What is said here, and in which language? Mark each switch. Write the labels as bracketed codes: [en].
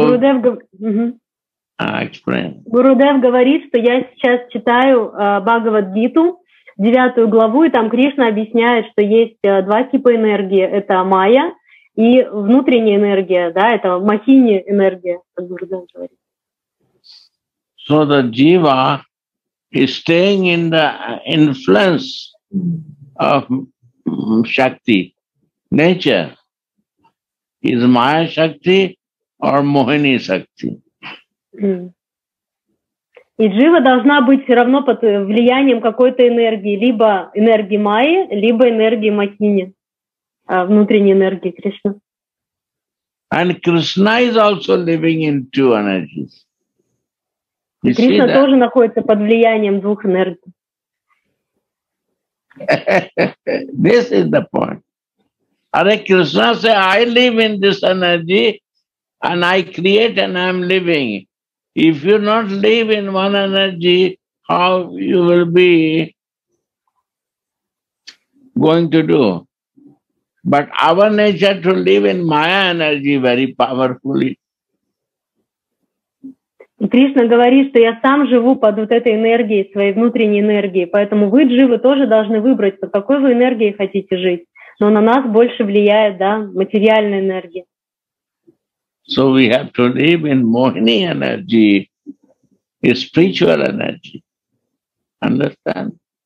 [ru] Гурудев, Гурудев говорит, что я сейчас читаю Бхагавад-гиту, 9 главу, и там Кришна объясняет, что есть два типа энергии. Это майя и внутренняя энергия, да, это махини энергия, как Гурудев говорит. [en] So the jiva is staying in the influence of shakti, nature. Is maya shakti? Or Mohini Shakti. [ru] И джива должна быть все равно под влиянием какой-то энергии, либо энергии Майи, либо энергии Махини, внутренней энергии Кришны. [en] And Krishna is also living in two energies. [ru] Кришна тоже находится под влиянием двух энергий. [en] This is the point. Hare Krishna say, I live in this energy. And I create and I'm living. If you not live in one energy, how you will be going to do? But our nature to live in Maya energy very powerfully. [ru] Кришна говорит, что я сам живу под вот этой энергией, своей внутренней энергией. Поэтому вы, дживы, тоже должны выбрать, под какой вы энергией хотите жить. Но на нас больше влияет, да, материальная энергия. [en] So we have to live in Mohini energy, spiritual energy. Understand?